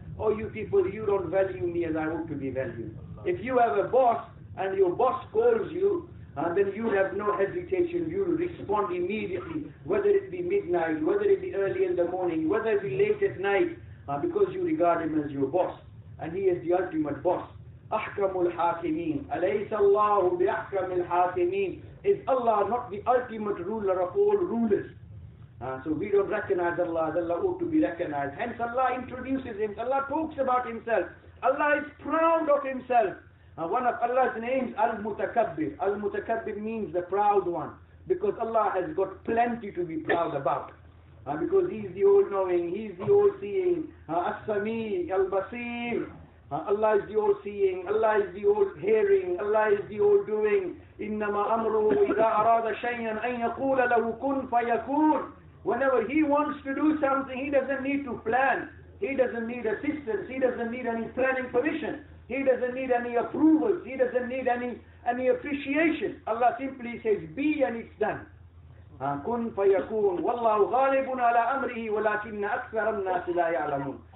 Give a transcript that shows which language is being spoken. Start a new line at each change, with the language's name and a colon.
English: Oh, you people, you don't value me as I ought to be valued. If you have a boss and your boss calls you, then you have no hesitation. You'll respond immediately, whether it be midnight, whether it be early in the morning, whether it be late at night, because you regard him as your boss. And he is the ultimate boss.
Arabic: أحكم الحاكمين أليس الله بأحكم الحاكمين.
English: Is Allah not the ultimate ruler of all rulers? So we don't recognize Allah as Allah ought to be recognized. Hence Allah introduces him. Allah talks about himself. Allah is proud of himself. One of Allah's names, Al-Mutakabbir. Al-Mutakabbir means the proud one. Because Allah has got plenty to be proud about. Because he's the all-knowing, he's the all-seeing. As-Sami, Al-Basir. Allah is the all-seeing, Allah is the all-hearing, Allah is the all-doing.
Arabic: إِنَّمَا أَمْرُهُ إِذَا أَرَادَ شَيْئًا أَنْ يَقُولَ لَهُ كُنْ فَيَكُونَ.
English: Whenever he wants to do something, he doesn't need to plan. He doesn't need assistance. He doesn't need any planning permission. He doesn't need any approvals. He doesn't need any appreciation. Allah simply says, be, and it's done.
Arabic: كُنْ فَيَكُونَ. وَاللَّهُ غَالِبٌ عَلَى أَمْرِهِ وَلَكِنَّ أَكْثَرَ النَّاسِ لَا يَعْلَمُونَ.